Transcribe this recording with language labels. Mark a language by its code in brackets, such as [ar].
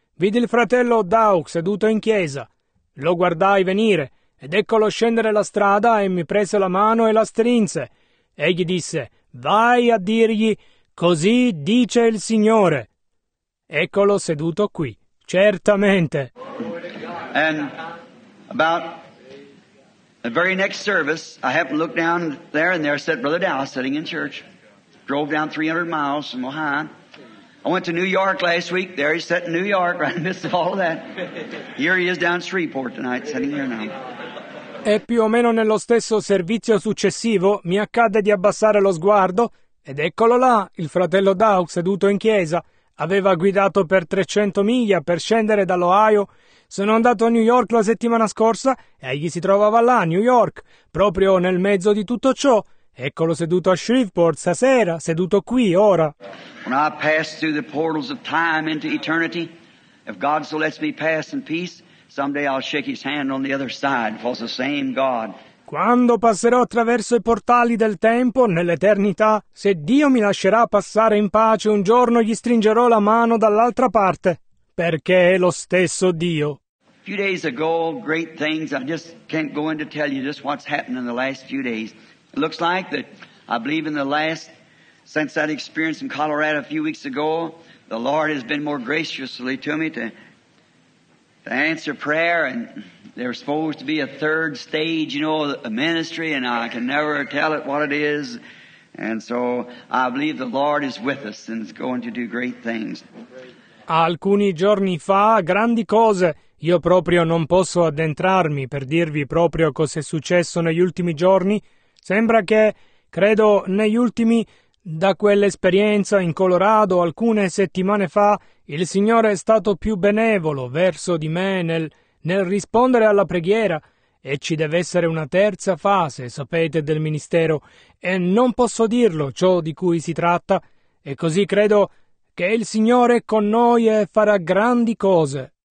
[it] Vidi il fratello Daug seduto in chiesa. Lo guardai venire ed eccolo scendere la strada e mi prese la mano e la strinse. Egli disse, vai a dirgli, così dice il Signore. Eccolo seduto qui, certamente. [en] And about the very next service, I happened to look down there and there sat Brother Dallas sitting in church. Drove down 300 miles from Ohio. I went to New York last week. There he sat in New York, right in the midst of all of that. Here he is down Shreveport tonight, sitting here now. [it] E più o meno nello stesso servizio successivo mi accadde di abbassare lo sguardo ed eccolo là, il fratello Daug seduto in chiesa. Aveva guidato per 300 miglia per scendere dall'Ohio. Sono andato a New York la settimana scorsa e egli si trovava là, a New York, proprio nel mezzo di tutto ciò. Eccolo seduto a Shreveport stasera, seduto qui, ora. [en] When I pass through the portals of time into eternity, if God so lets me pass in peace, someday I'll shake his hand on the other side, for it's the same God. [it] Quando passerò attraverso i portali del tempo, nell'eternità, se Dio mi lascerà passare in pace, un giorno gli stringerò la mano dall'altra parte, perché è lo stesso Dio. [en] A few days ago, great things, I just can't go in to tell you just what's happened in the last few days. It looks like that I believe in the last, since that experience in Colorado a few weeks ago, the Lord has been more graciously to me to answer prayer, and there's supposed to be a third stage, you know, a ministry, and I can never tell it what it is. And so I believe the Lord is with us and is going to do great things. [it] Alcuni giorni fa, grandi cose. Io proprio non posso addentrarmi per dirvi proprio cosa è successo negli ultimi giorni. Sembra che, credo, negli ultimi, da quell'esperienza in Colorado alcune settimane fa, il Signore è stato più benevolo verso di me nel rispondere alla preghiera, e ci deve essere una terza fase, sapete, del ministero, e non posso dirlo ciò di cui si tratta, e così credo che il Signore è con noi e farà grandi cose.